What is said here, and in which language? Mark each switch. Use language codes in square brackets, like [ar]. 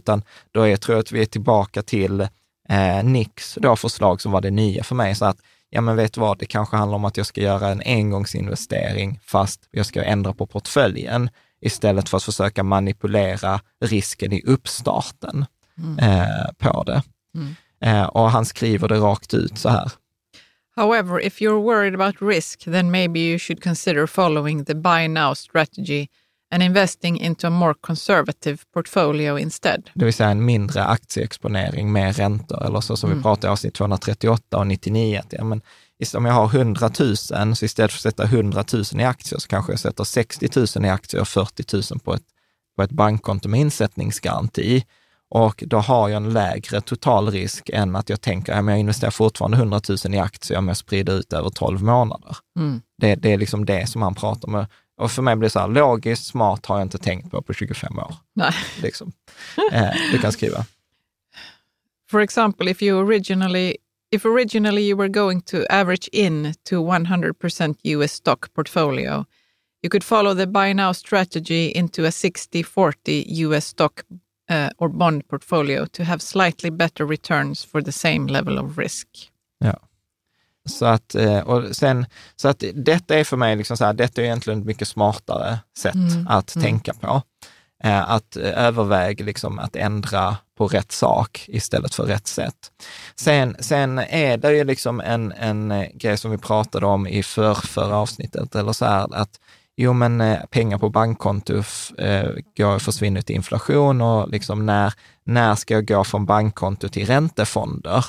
[sv] Utan då är, tror jag att vi är tillbaka till Nicks då förslag som var det nya för mig. Så att, ja men vet du vad, det kanske handlar om att jag ska göra en engångsinvestering fast jag ska ändra på portföljen istället för att försöka manipulera risken i uppstarten på det. Och han skriver det rakt ut så här. [en] However, if you're worried about risk, then maybe you should consider following the buy now strategy and investing into a more conservative portfolio instead. [sv] Det vill säga en mindre aktieexponering med räntor, eller så som vi pratade i avsnitt 238 och 99. Att, ja, men, om jag har 100 000, så istället för att sätta 100 000 i aktier så kanske jag sätter 60 000 i aktier och 40 000 på ett bankkonto med insättningsgaranti. Och då har jag en lägre totalrisk än att jag tänker att ja, jag investerar fortfarande 100 000 i aktier om jag sprider ut över 12 månader. Mm. Det är liksom det som han pratar om. Och för mig blir det så här, logiskt, smart har jag inte tänkt på 25 år. Nej. Liksom. Du kan skriva. [en] For example, if originally you were going to average in to 100% US stock portfolio, you could follow the buy now strategy into a 60-40 US stock or bond portfolio to have slightly better returns for the same level of risk. [sv] Ja. Så att, och sen, så att detta är för mig liksom så här, detta är egentligen ett mycket smartare sätt att tänka på. Att överväga liksom att ändra på rätt sak istället för rätt sätt. Sen är det ju liksom en grej som vi pratade om i förra avsnittet, eller så här, att jo, men pengar på bankkonto försvinner till inflation, och liksom när ska jag gå från bankkonto till räntefonder?